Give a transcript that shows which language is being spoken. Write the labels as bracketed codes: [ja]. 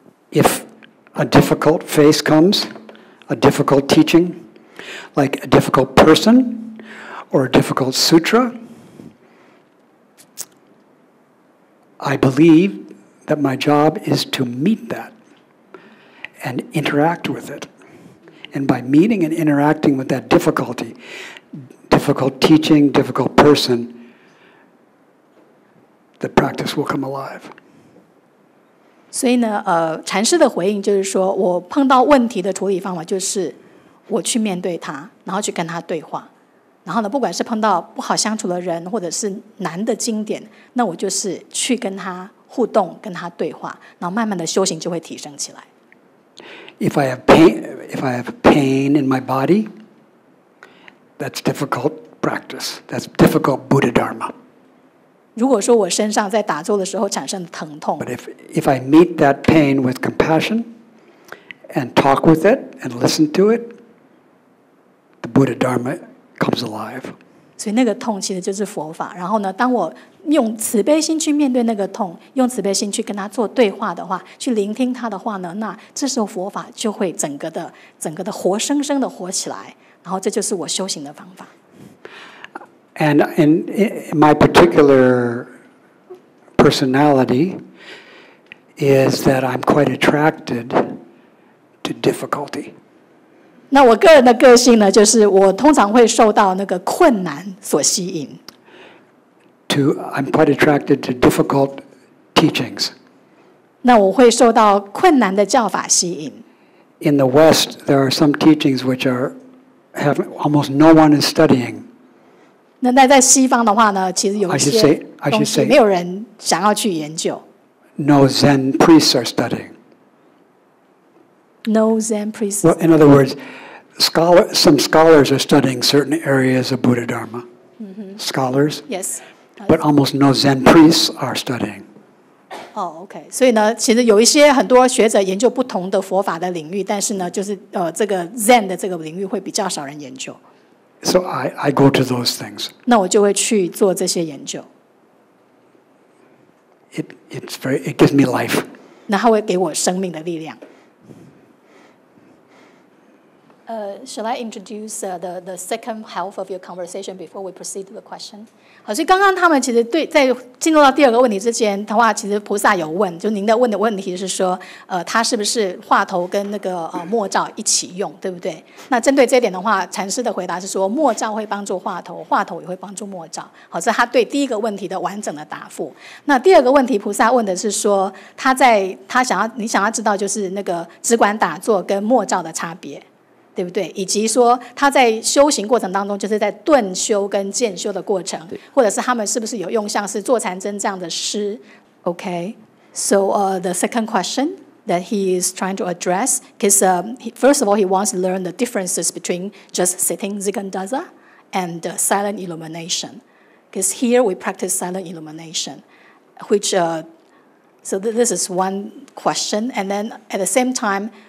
[en] If a difficult face comes, a difficult teaching, like a difficult person or a difficult sutra, I believe that my job is to meet that and interact with it. And by meeting and interacting with that difficulty, difficult teaching, difficult person, the practice will come alive. [zh] 所以呢，禅师的回应就是说，我碰到问题的处理方法就是，我去面对他，然后去跟他对话，然后呢，不管是碰到不好相处的人，或者是难的经典，那我就是去跟他互动，跟他对话，然后慢慢的修行就会提升起来。 [en] If I have pain in my body, that's difficult practice. That's difficult Buddha Dharma. [zh] 如果说我身上在打坐的时候产生疼痛 [en] ，But if I meet that pain with compassion and talk with it and listen to it, the Buddha Dharma comes alive. [zh] 所以那个痛其实就是佛法。然后呢，当我用慈悲心去面对那个痛，用慈悲心去跟他做对话的话，去聆听他的话呢，那这时候佛法就会整个的活生生的活起来。然后这就是我修行的方法。 [en] And in my particular personality is that I'm quite attracted to difficulty. [zh] 那我个人的个性呢，就是我通常会受到那个困难所吸引。 [en] I'm quite attracted to difficult teachings. [zh] 那我会受到困难的教法吸引。 [en] In the West, there are some teachings which have almost no one is studying. [zh] 那在西方的话呢，其实有一些东西没有人想要去研究。 [en] No Zen priests are studying. No Zen priests. Well, in other words, some scholars are studying certain areas of Buddha Dharma.、Mm-hmm. Scholars. Yes. But almost no Zen priests are studying. Oh, okay. [zh] 所以呢，其实有一些很多学者研究不同的佛法的领域，但是呢，就是这个 Zen 的这个领域会比较少人研究。 [en] So I go to those things. [zh] 那我就会去做这些研究。 [en] It gives me life. [zh] 那它会给我生命的力量。 [en] Shall I introduce the second half of your conversation before we proceed to the question? [zh] 好，所以刚刚他们其实对在进入到第二个问题之前的话，其实菩萨有问，就您的问的问题是说，他是不是话头跟那个墨照一起用，对不对？那针对这点的话，禅师的回答是说，墨照会帮助话头，话头也会帮助墨照。好，这是他对第一个问题的完整的答复。那第二个问题，菩萨问的是说，你想要知道就是那个只管打坐跟墨照的差别。对不对？以及说他在修行过程当中，就是在顿修跟渐修的过程，或者是他们是不是有用像是坐禅针这样的师 [en] ？OK. So the second question that he is trying to address, because first of all, he wants to learn the differences between just sitting Zigen Daza and silent illumination. Because here we practice silent illumination, which so this is one question, and then at the same time.